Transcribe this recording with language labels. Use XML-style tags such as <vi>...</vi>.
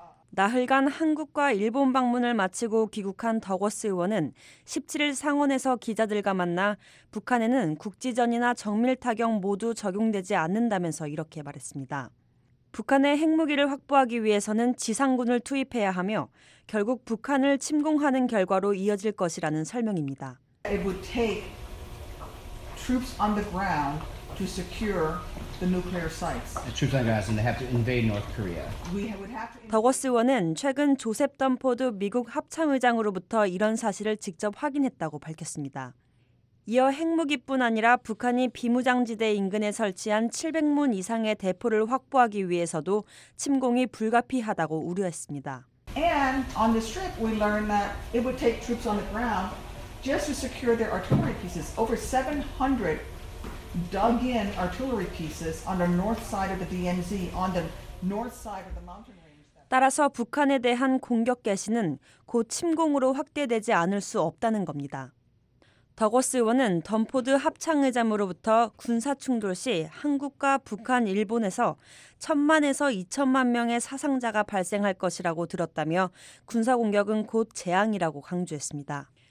<ko>나흘간 한국과 일본 방문을 마치고 귀국한 더거스 의원은 17일 상원에서 기자들과 만나 북한에는 국지전이나 정밀타격 모두 적용되지 않는다면서 이렇게 말했습니다. 북한의 핵무기를 확보하기 위해서는 지상군을 투입해야 하며 결국 북한을 침공하는 결과로 이어질 것이라는 설명입니다.</ko> <en>It would take troops on the ground to secure the nuclear sites. The troops on the ground, and they have to invade North Korea. We would have to.</en> <ko>더거스 의원은 최근 조셉 덤포드 미국 합참의장으로부터 이런 사실을 직접 확인했다고 밝혔습니다. 이어 핵무기뿐 아니라 북한이 비무장지대 인근에 설치한 700문 이상의 대포를 확보하기 위해서도 침공이 불가피하다고 우려했습니다.</ko> <en>And on the trip, we learned that it would take troops on the ground just to secure their artillery pieces. Over 700 dug-in artillery pieces on the north side of the DMZ, on the north side of the mountain range.</en> <ko>따라서 북한에 대한 공격 개시는 곧 침공으로 확대되지 않을 수 없다는 겁니다. 더거스 의원은 덤포드 합창회장으로부터 군사 충돌 시 한국과 북한, 일본에서 1,000만에서 2,000만 명의 사상자가 발생할 것이라고 들었다며 군사 공격은 곧 재앙이라고 강조했습니다.</ko>